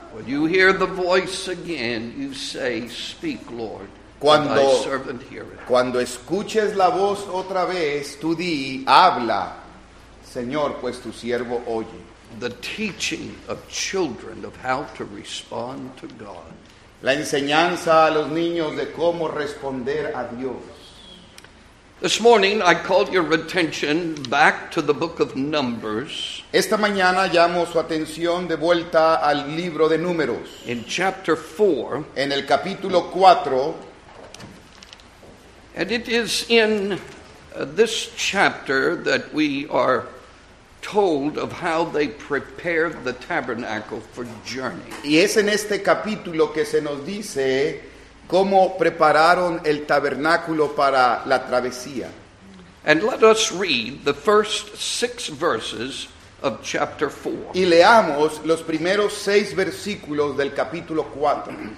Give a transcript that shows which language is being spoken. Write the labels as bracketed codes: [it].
[en] When you hear the voice again, you say, "Speak, Lord." [es] Cuando escuches la voz otra vez, tú di, habla, Señor, pues tu siervo oye. [en] The teaching of children of how to respond to God. [es] La enseñanza a los niños de cómo responder a Dios. [en] This morning I called your attention back to the book of Numbers. [es] Esta mañana llamo su atención de vuelta al libro de Números. [en] In chapter 4, [es] en el capítulo 4. [en] And it is in this chapter that we are told of how they prepared the tabernacle for journey. [es] Y es en este capítulo que se nos dice cómo prepararon el tabernáculo para la travesía. [en] And let us read the first six verses of chapter 4. [es] Y leamos los primeros seis versículos del capítulo 4.